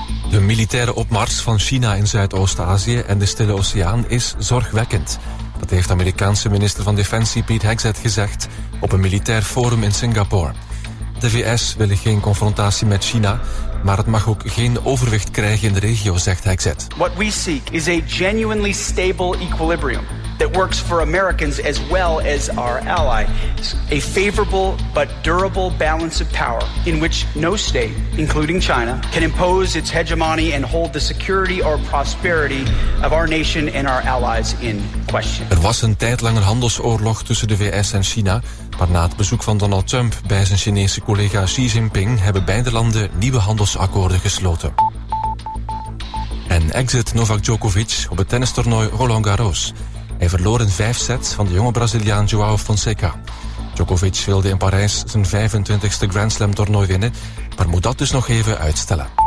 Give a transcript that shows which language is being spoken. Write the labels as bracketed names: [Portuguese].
[Dutch] De militaire opmars van China in Zuidoost-Azië en de Stille Oceaan is zorgwekkend. Dat heeft Amerikaanse minister van Defensie Pete Hegseth gezegd op een militair forum in Singapore. De VS willen geen confrontatie met China, maar het mag ook geen overwicht krijgen in de regio, zegt Hegseth. [English] What we seek is a genuinely stable equilibrium that works for Americans as well as our ally. A favorable but durable balance of power in which no state, including China, can impose its hegemony and hold the security or prosperity of our nation and our allies in question. [Dutch] Er was een tijdlang een handelsoorlog tussen de VS en China, maar na het bezoek van Donald Trump bij zijn Chinese collega Xi Jinping hebben beide landen nieuwe handelsakkoorden gesloten. En exit Novak Djokovic op het tennistoernooi Roland Garros. Hij verloor in 5 sets van de jonge Braziliaan João Fonseca. Djokovic wilde in Parijs zijn 25e Grand Slam toernooi winnen, maar moet dat dus nog even uitstellen.